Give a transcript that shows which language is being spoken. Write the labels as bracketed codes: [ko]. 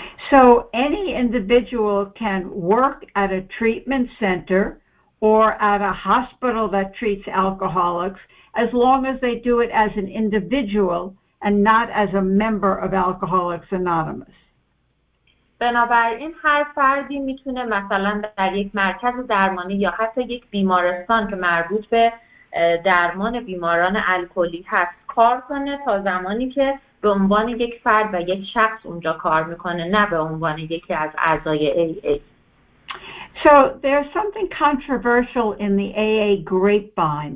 [en] So any individual can work at a treatment center or at a hospital that treats alcoholics as long as they do it as an individual and not as a member of Alcoholics Anonymous. [fa] بنابراین هر فردی میتونه مثلا در یک مرکز درمانی یا حتی یک بیمارستان که مربوط به درمان بیماران الکلی هست کار کنه تا زمانی که به عنوان یک فرد و یک شخص اونجا کار میکنه نه به عنوان یکی از اعضای AA. [en] So there's something controversial in the AA grapevine.